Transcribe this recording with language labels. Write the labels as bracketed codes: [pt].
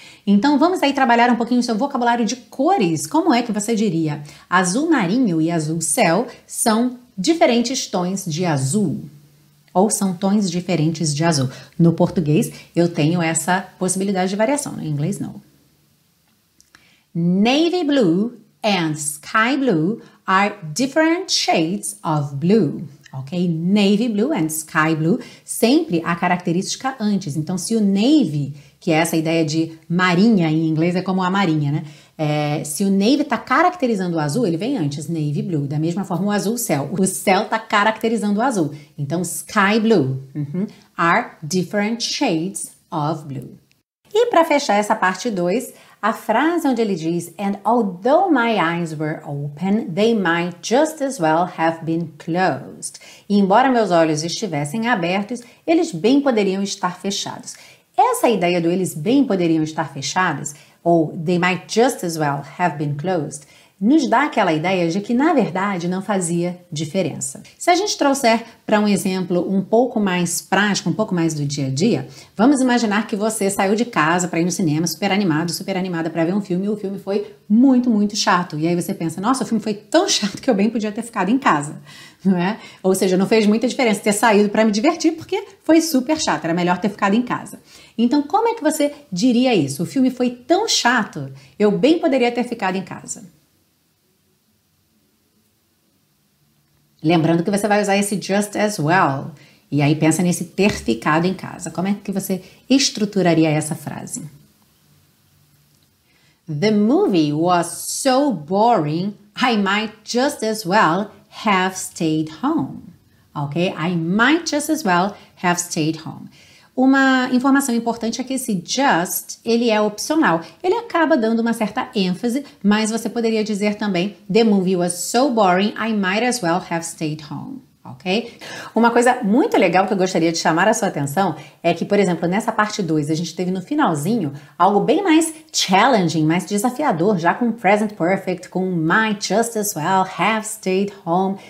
[pt] Então vamos aí trabalhar um pouquinho o seu vocabulário de cores. Como é que você diria? Azul marinho e azul céu são diferentes tons de azul. Ou são tons diferentes de azul. No português eu tenho essa possibilidade de variação. Em inglês não. [en] Navy blue and sky blue are different shades of blue. Ok? Navy blue and sky blue, [pt] sempre a característica antes. Então, se o navy, que é essa ideia de marinha em inglês, é como a marinha, né? Se o navy tá caracterizando o azul, ele vem antes, navy blue. Da mesma forma, o azul, céu. O céu tá caracterizando o azul. Então, [en] sky blue are different shades of blue. [pt] E para fechar essa parte 2, a frase onde ele diz, [en] and although my eyes were open, they might just as well have been closed. [pt] E embora meus olhos estivessem abertos, eles bem poderiam estar fechados. Essa ideia do eles bem poderiam estar fechados, ou [en] they might just as well have been closed, [pt] nos dá aquela ideia de que, na verdade, não fazia diferença. Se a gente trouxer para um exemplo um pouco mais prático, um pouco mais do dia a dia, vamos imaginar que você saiu de casa para ir no cinema, super animado, super animada para ver um filme, e o filme foi muito, muito chato. E aí você pensa, nossa, o filme foi tão chato que eu bem podia ter ficado em casa, não é? Ou seja, não fez muita diferença ter saído para me divertir, porque foi super chato, era melhor ter ficado em casa. Então, como é que você diria isso? O filme foi tão chato, eu bem poderia ter ficado em casa. Lembrando que você vai usar esse just as well. E aí pensa nesse ter ficado em casa. Como é que você estruturaria essa frase? [en] The movie was so boring, I might just as well have stayed home. Ok? I might just as well have stayed home. [pt] Uma informação importante é que esse just, ele é opcional. Ele acaba dando uma certa ênfase, mas você poderia dizer também, [en] the movie was so boring, I might as well have stayed home, ok? [pt] Uma coisa muito legal que eu gostaria de chamar a sua atenção é que, por exemplo, nessa parte 2, a gente teve no finalzinho algo bem mais challenging, mais desafiador, já com present perfect, com [en] might just as well have stayed home.